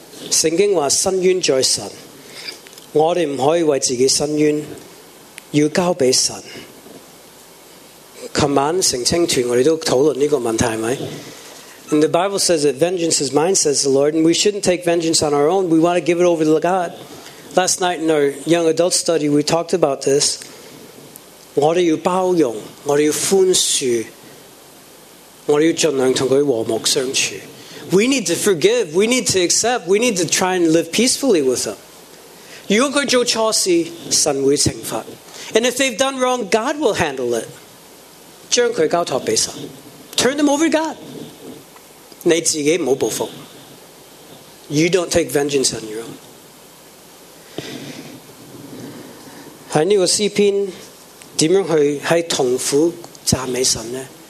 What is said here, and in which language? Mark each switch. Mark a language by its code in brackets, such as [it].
[yue] 圣经话伸冤在神，我哋唔可以为自己伸冤，要交俾神。琴晚成青团我哋都讨论呢个问题，系咪？ [en] And the Bible says that vengeance is mine, says the Lord, and we shouldn't take vengeance on our own. We want to give it over to God. Last night in our young adult study, we talked about this. [yue] 我哋要包容，我哋要宽恕，我哋要尽量同佢和睦相处。 [en] We need to forgive. We need to accept. We need to try and live peacefully with them. [yue] 如果佢做错事，神会惩罚。 [en] And if they've done wrong, God will handle it. [yue] 将佢交托俾神。 [en] Turn them over to God. [yue] 你自己唔好报复。 [en] You don't take vengeance on your own. [yue] 喺呢个诗篇，点样去喺痛苦赞美神呢